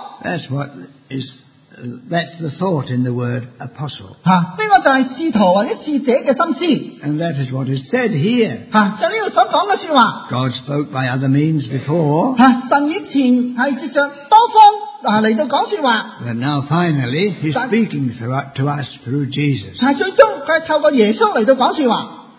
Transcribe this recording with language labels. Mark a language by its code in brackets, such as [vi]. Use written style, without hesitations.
[en] That's what is that's the thought in the word apostle. [zh] 这个就是使徒或者使者的心思。 [en] And that is what is said here. [zh] 就是这里所说的说话。 [en] God spoke by other means before. [zh] 神以前是藉着多方来讲说话。 [en] But now finally he's speaking to us through Jesus. [zh] 最终他透过耶稣来讲说话。